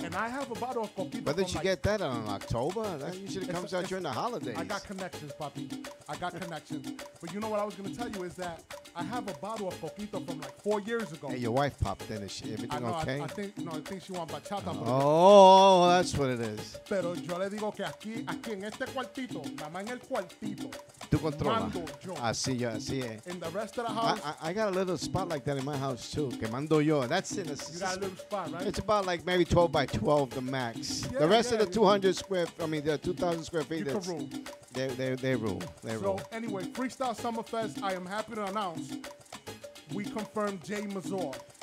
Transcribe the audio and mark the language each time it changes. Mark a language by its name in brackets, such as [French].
[English] And I have a bottle of Coquito. Where did you get that on October? That usually comes out during the holidays. I got connections, puppy. I got connections. But you know what I was going to tell you is that I have a bottle of Coquito from like 4 years ago. Hey, your wife popped in. Is she, everything I know, okay? I think she wants bachata. Oh, that's what it is. [Spanish] Pero yo le digo que aquí en este cuartito, nada más en el cuartito. Tú controla. Así es. [English] In the rest of the house. I got a little spot like that in my house too. [Spanish] Que mando yo. [English] That's in a. You got a little spot, right? It's about like maybe 12 by 12 the max. Yeah, the rest of the 2,000 square feet. You can rule. They rule. So anyway, Freestyle Summer Fest, I am happy to announce we confirmed Jay Mazor.